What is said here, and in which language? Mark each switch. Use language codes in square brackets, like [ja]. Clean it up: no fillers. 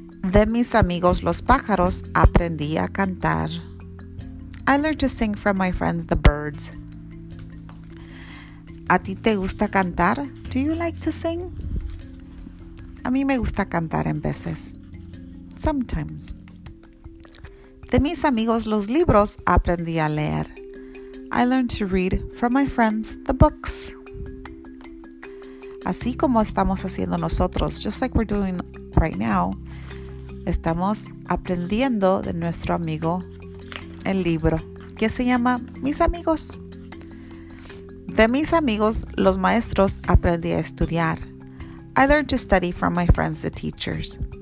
[es] De mis amigos los pájaros aprendí a cantar. [en] I learned to sing from my friends, the birds. [es] ¿A ti te gusta cantar? [en] Do you like to sing? [es] A mí me gusta cantar en veces. [en] Sometimes. [es] De mis amigos los libros aprendí a leer. [en] I learned to read from my friends, the books. [es] Así como estamos haciendo nosotros, [en] just like we're doing right now, [es] estamos aprendiendo de nuestro amigo el libro, que se llama Mis Amigos. De mis amigos, los maestros, aprendí a estudiar. [en] I learned to study from my friends, the teachers.